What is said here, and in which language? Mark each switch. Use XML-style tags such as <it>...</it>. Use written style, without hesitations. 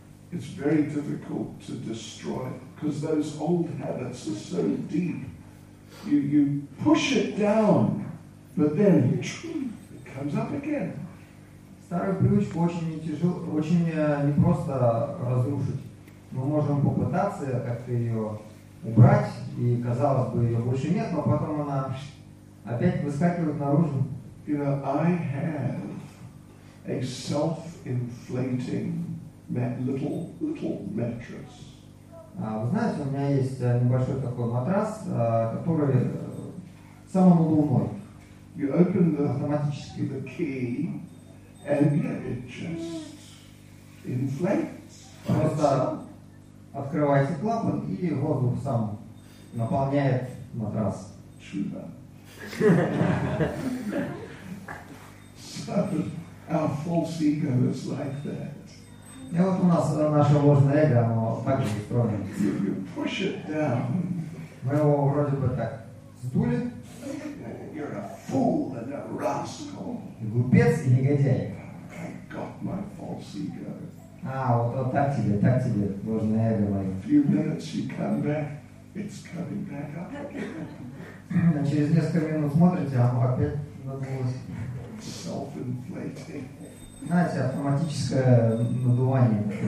<en>It's very difficult to destroy because those old habits are so deep. You push it down, but then it comes up again.</en> <ru>Старую привычку очень тяжело, очень непросто разрушить. Мы можем попытаться как-то ее убрать, и казалось бы, ее больше нет, но потом она опять выскакивает наружу.</ru> <en>You know, I have a self-inflating little mattress.</en> <ru>Вы знаете, у меня есть небольшой такой матрас, который самонадувной.</ru> <en>You open</en> <ru>автоматически</ru> <en>the key, and yeah, it just inflates.</en> <ru>Просто открываете клапан, и воздух сам наполняет матрас. Чудо.</ru> <en>So, our false ego is like that.</en> <ru>И вот у нас наше ложное эго, оно так же устроено.</ru> <en>You push it down.</en> <ru>Мы его вроде бы так сдули.</ru> <en>You're a fool and a rascal.</en> <ru>И глупец и негодяй.</ru> <en>I got my false ego.</en> <ru>А, вот так тебе, ложное эго мое.</ru> <en>A few minutes you come back, it's coming back up again.</en> <ru>А через несколько минут смотрите, оно опять надулось.</ru> <en>Self-inflating.</en> <ru>Знаете, автоматическое надувание.</ru>